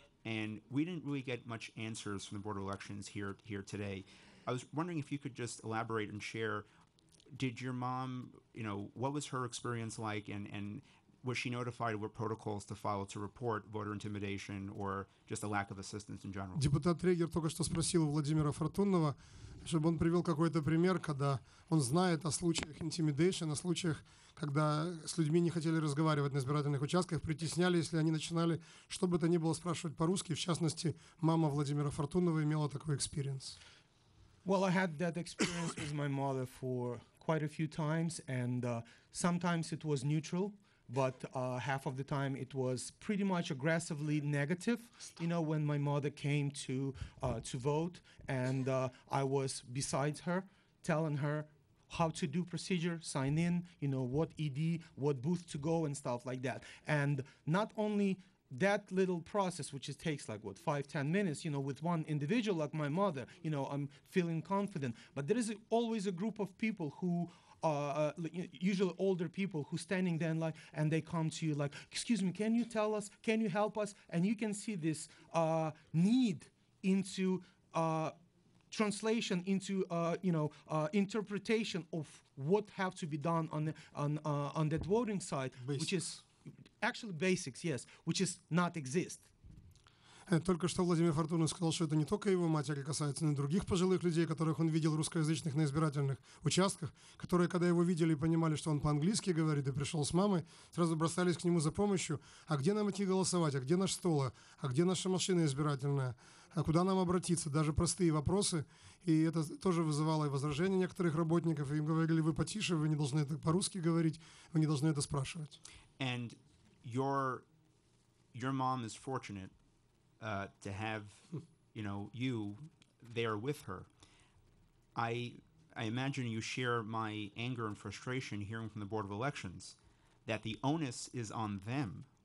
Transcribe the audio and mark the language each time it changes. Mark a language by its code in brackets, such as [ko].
[en] And we didn't really get much answers from the Board of Elections here today. I was wondering if you could just elaborate and share, did your mom, you know, what was her experience like, and was she notified what protocols to follow to report voter intimidation or just a lack of assistance in general? [ru] Депутат Трегер только что спросил у Владимира Фортунного, чтобы он привел какой-то пример, когда он знает о случаях intimidation, о случаях, когда с людьми не хотели разговаривать на избирательных участках, притесняли, если они начинали, что бы то ни было, спрашивать по-русски. В частности, мама Владимира Фортунного имела такой экспириенс. [en] Well, I had that experience with my mother for quite a few times, and sometimes it was neutral. But half of the time, it was pretty much aggressively negative. You know, when my mother came to vote, and I was beside her, telling her how to do procedure, sign in, you know, what ED, what booth to go, and stuff like that. And not only that little process, which it takes like, what, 5-10 minutes, you know, with one individual like my mother, you know, I'm feeling confident. But there is always a group of people who usually older people who standing there, like, and they come to you like, excuse me, can you tell us, can you help us? And you can see this need into translation, into interpretation of what have to be done on that voting side, basics. Which is actually basics, yes, which is not exist. [ru] Только что Владимир Фортуна сказал, что это не только его матери касается, но и других пожилых людей, которых он видел русскоязычных на избирательных участках, которые, когда его видели и понимали, что он по-английски говорит и пришел с мамой, сразу бросались к нему за помощью. А где нам идти голосовать? А где наш стол? А где наша машина избирательная? А куда нам обратиться? Даже простые вопросы. И это тоже вызывало и возражения некоторых работников. Им говорили, вы потише, вы не должны это по-русски говорить, вы не должны это спрашивать. [en] And your mom is fortunate to have, you know, you there with her. I imagine you share my anger and frustration hearing from the Board of Elections that the onus is on them.